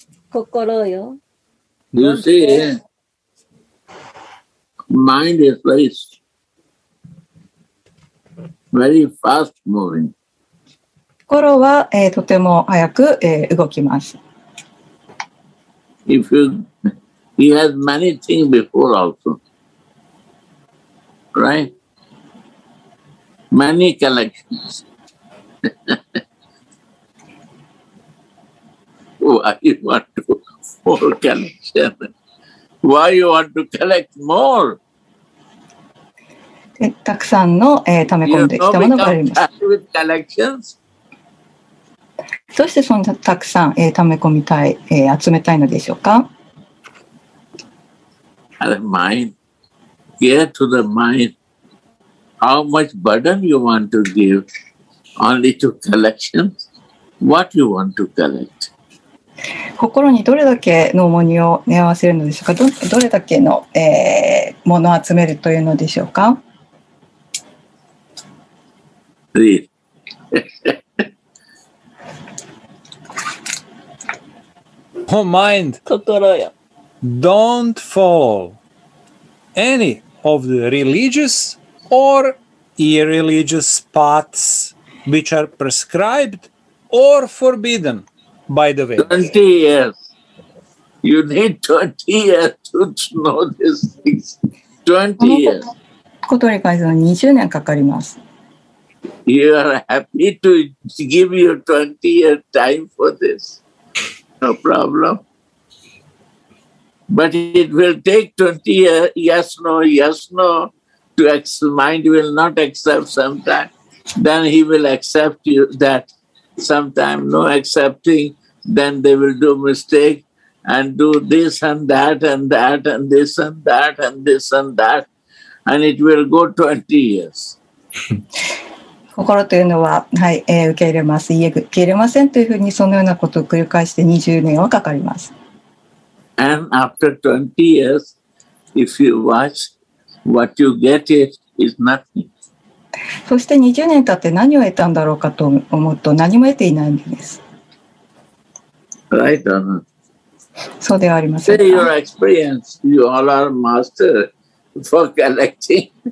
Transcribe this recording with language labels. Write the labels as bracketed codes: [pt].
[ja] 心よ。 [en] You see? Mind is very, very fast moving. [ja] 心は、とても早く、動きます。 [en] If you, he has many things before also. Right? Many collections. Why you want to more collection? Why you want to collect more? [ja] たくさんの、溜め込んできたものがあります。どうしてそんなたくさん、溜め込みたい、集めたいのでしょうか。 [en] The mind, get to the mind. How much burden you want to give only to collections? What you want to collect? [ja] 心にどれだけの重荷を寝合わせるのでしょうか。どれだけの、ものを集めるというのでしょうか。 [en] Oh, mind, don't follow any of the religious or irreligious paths which are prescribed or forbidden by the way. 20 years. You need 20 years to know these things. 20 years. [ja] ことに関しては20年かかります。 [en] You are happy to give you 20 years time for this. No problem. But it will take 20 years, yes, no, yes, no. Mind will not accept sometime. Then he will accept you that sometime, no accepting. Then they will do mistake and do this and that and that and this and that and this and that. And it will go 20 years. [ja] 心というのは、はい、受け入れます、いえ、受け入れませんというふうにそのようなことを繰り返して20年はかかります。 [en] And after 20 years, if you watch, what you get it is nothing. [ja] そして20年経って何を得たんだろうかと思うと何も得ていないんです。 [en] Right or not? [ja] そうではありません。 [en] Say your experience, you all are master for collecting.